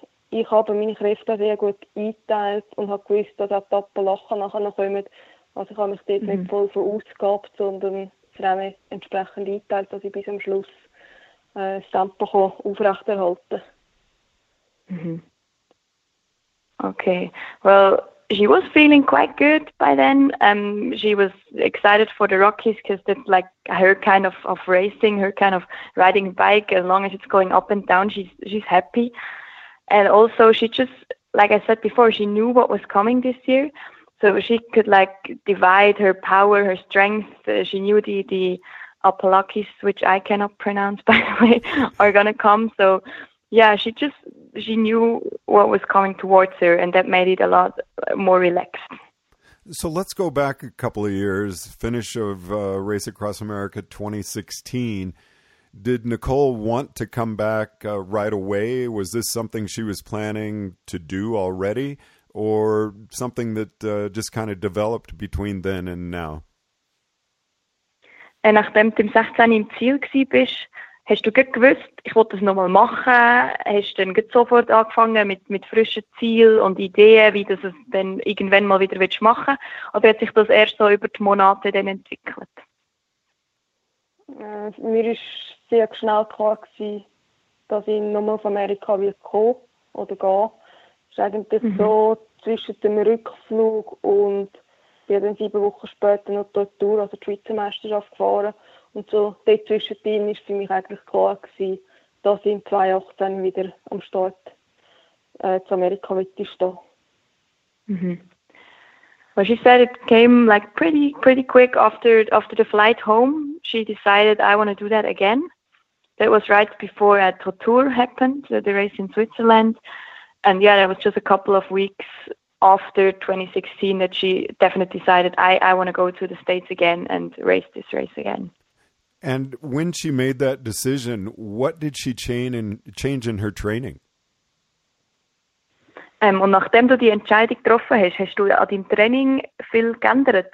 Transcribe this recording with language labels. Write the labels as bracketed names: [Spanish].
[German] Ich habe meine Kräfte sehr gut eingeteilt und habe gewusst, dass auch die Appalachen nachher noch kommen. Also ich habe mich dort nicht voll verausgabt, sondern es habe entsprechend eingeteilt, dass ich bis zum Schluss das Tempo aufrechterhalte. [English] Okay, well, she was feeling quite good by then. She was excited for the Rockies because it's like her kind of racing, her kind of riding bike. As long as it's going up and down, she's happy. And also, she just, like I said before, she knew what was coming this year. So she could like divide her power, her strength. She knew the Appalachies, which I cannot pronounce, by the way, are going to come. So yeah, she knew what was coming towards her, and that made it a lot more relaxed. So let's go back a couple of years, finish of Race Across America 2016. Did Nicole want to come back right away? Was this something she was planning to do already, or something that just kind of developed between then and now? [German] Nachdem du im 16 im Ziel gsi bist, hast du gut gewusst, ich wollte das nochmal machen? Hast du dann sofort angefangen mit frischen Zielen und Ideen, wie du es dann irgendwann mal wieder machen willst? Oder hat sich das erst so über die Monate dann entwickelt? Mir war sehr schnell klar, dass ich nochmal von Amerika kommen oder gehen. Es war eigentlich so zwischen dem Rückflug und ich bin dann 7 Wochen später noch die Tour, also die Schweizer Meisterschaft, gefahren. Und so dazwischen ist für mich eigentlich klar gewesen, dass ich im 2018 wieder am Start zu Amerika möchte stehen. [English] Well, she said it came like pretty quick after the flight home. She decided, I want to do that again. That was right before a Tour happened, the race in Switzerland. And yeah, that was just a couple of weeks after 2016 that she definitely decided, I want to go to the States again and race this race again. And when she made that decision, what did she change in her training? [German] Und nachdem du die Entscheidung getroffen hast, hast du an deinem Training viel geändert?